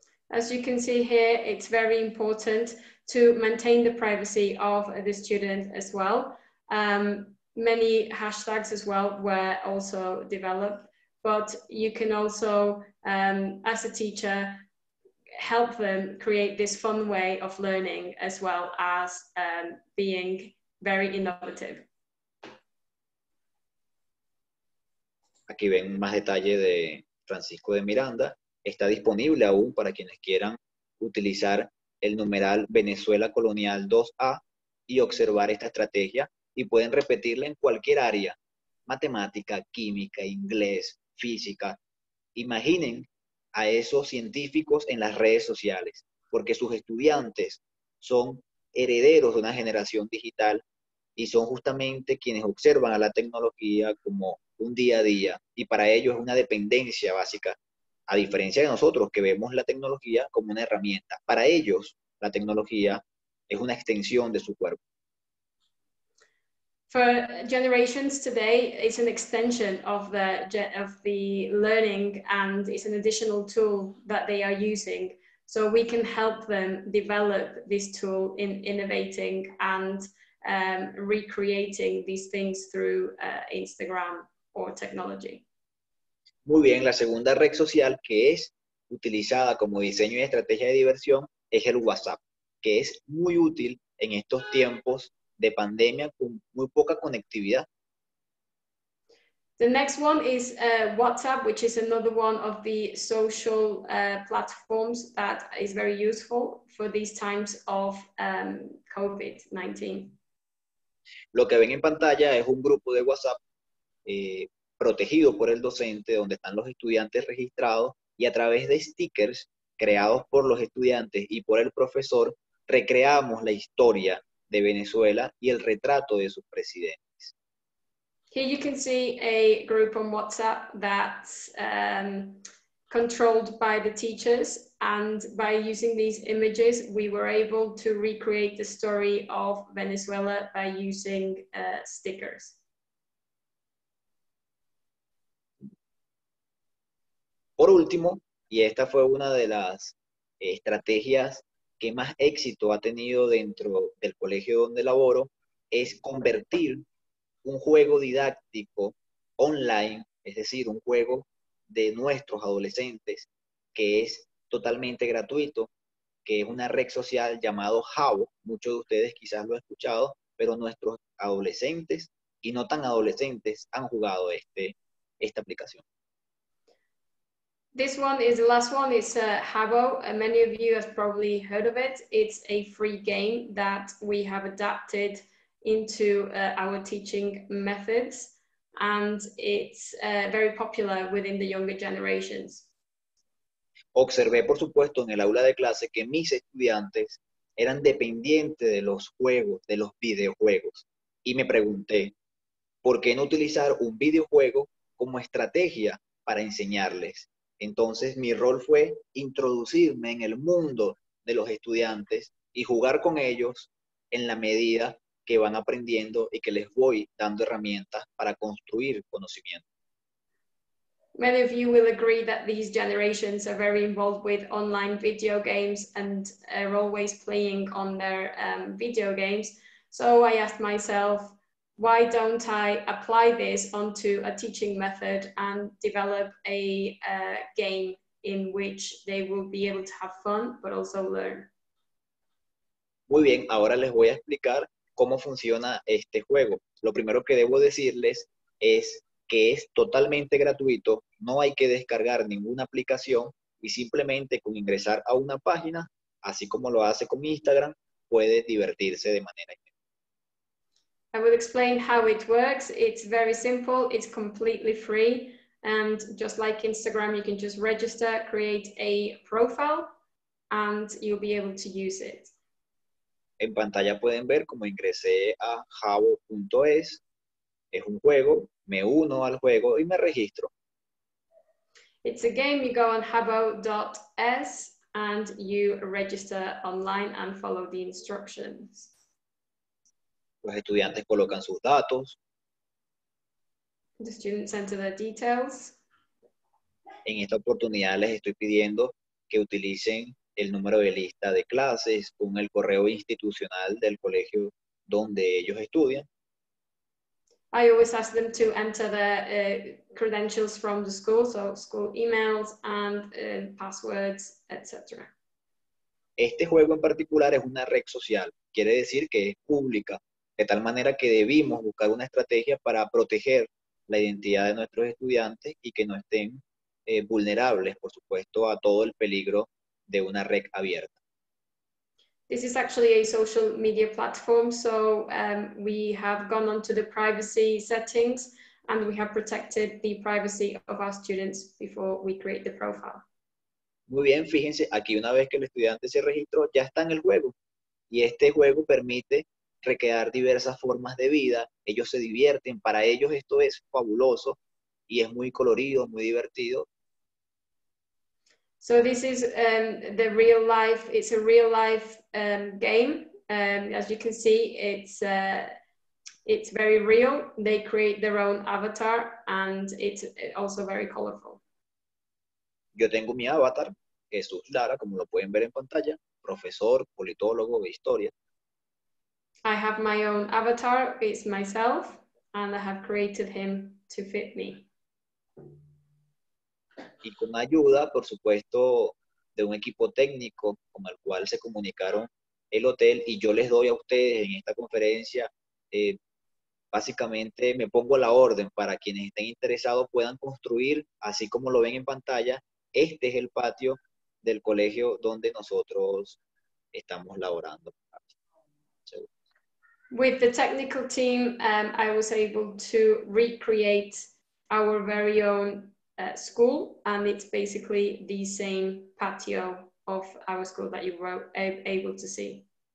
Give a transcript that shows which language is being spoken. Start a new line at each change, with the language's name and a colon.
English: As you can see here, it's very important to maintain the privacy of the student as well. Many hashtags as well were also developed, but you can also, as a teacher, help them create this fun way of learning as well as being very innovative.
Spanish: Aquí ven más detalle de Francisco de Miranda. Está disponible aún para quienes quieran utilizar el numeral Venezuela Colonial 2A y observar esta estrategia y pueden repetirla en cualquier área, matemática, química, inglés, física. Imaginen a esos científicos en las redes sociales, porque sus estudiantes son herederos de una generación digital y son justamente quienes observan a la tecnología como un día a día y para ellos es una dependencia básica. A diferencia de nosotros, que vemos la tecnología como una herramienta. Para ellos, la tecnología es una extensión de su cuerpo.
English: For generations today, it's an extension of the learning and it's an additional tool that they are using. So we can help them develop this tool in innovating and recreating these things through Instagram or technology.
Spanish: Muy bien, la segunda red social que es utilizada como diseño y estrategia de diversión es el WhatsApp, que es muy útil en estos tiempos de pandemia con muy poca conectividad.
English: The next one is WhatsApp, which is another one of the social platforms that is very useful for these times of COVID-19.
Spanish: Lo que ven en pantalla es un grupo de WhatsApp protegido por el docente, donde están los estudiantes registrados y a través de stickers creados por los estudiantes y por el profesor, recreamos la historia de Venezuela y el retrato de sus presidentes.
English: Here you can see a group on WhatsApp that's controlled by the teachers, and by using these images, we were able to recreate the story of Venezuela by using stickers.
Spanish: Por último, y esta fue una de las estrategias que más éxito ha tenido dentro del colegio donde laboro, es convertir un juego didáctico online, es decir, un juego de nuestros adolescentes, que es totalmente gratuito, que es una red social llamado Habbo. Muchos de ustedes quizás lo han escuchado, pero nuestros adolescentes y no tan adolescentes han jugado esta aplicación.
English: This one is the last one, it's Habbo. Many of you have probably heard of it. It's a free game that we have adapted into our teaching methods, and it's very popular within the younger generations.
Spanish: Observé, por supuesto, en el aula de clase que mis estudiantes eran dependientes de los juegos, de los videojuegos, y me pregunté, ¿por qué no utilizar un videojuego como estrategia para enseñarles? Entonces, mi rol fue introducirme en el mundo de los estudiantes y jugar con ellos en la medida que van aprendiendo y que les voy dando herramientas para construir conocimiento.
English: Many of you will agree that these generations are very involved with online video games and are always playing on their video games. So I asked myself, why don't I apply this onto a teaching method and develop a game in which they will be able to have fun, but also learn.
Spanish: Muy bien, ahora les voy a explicar cómo funciona este juego. Lo primero que debo decirles es que es totalmente gratuito, no hay que descargar ninguna aplicación y simplemente con ingresar a una página, así como lo hace con Instagram, puede divertirse de manera inmediata.
English: I will explain how it works. It's very simple, it's completely free, and just like Instagram, you can just register, create a profile, and you'll be able to use it.
Spanish: En pantalla pueden ver cómo ingresé a habbo.es. Es un juego, me uno al juego y me registro.
English: It's a game, you go on habbo.es and you register online and follow the instructions.
Spanish: Los estudiantes colocan sus datos.
English: The students enter their details.
Spanish: En esta oportunidad les estoy pidiendo que utilicen el número de lista de clases con el correo institucional del colegio donde ellos estudian.
English: I always ask them to enter their credentials from the school, so school emails and passwords, etc.
Spanish: Este juego en particular es una red social, quiere decir que es pública, de tal manera que debimos buscar una estrategia para proteger la identidad de nuestros estudiantes y que no estén vulnerables, por supuesto, a todo el peligro de una red abierta.
English: This is actually a social media platform, so we have gone onto the privacy settings and we have protected the privacy of our students before we create the profile.
Spanish: Muy bien, fíjense, aquí una vez que el estudiante se registró, ya está en el juego. Y este juego permite recrear diversas formas de vida, ellos se divierten, para ellos esto es fabuloso y es muy colorido, muy divertido.
English: So this is the real life, it's a real life game. As you can see, it's very real. They create their own avatar and it's also very colorful.
Spanish: Yo tengo mi avatar, Jesús Lara, como lo pueden ver en pantalla, profesor, politólogo de historia.
English: I have my own avatar, it's myself, and I have created him to fit me.
Spanish: Y con ayuda, por supuesto, de un equipo técnico con el cual se comunicaron el hotel y yo les doy a ustedes en esta conferencia, básicamente me pongo a la orden para quienes estén interesados puedan construir, así como lo ven en pantalla, este es el patio del colegio donde nosotros estamos laborando.
English: With the technical team, I was able to recreate our very own school, and it's basically the same patio of our school that you were able to see.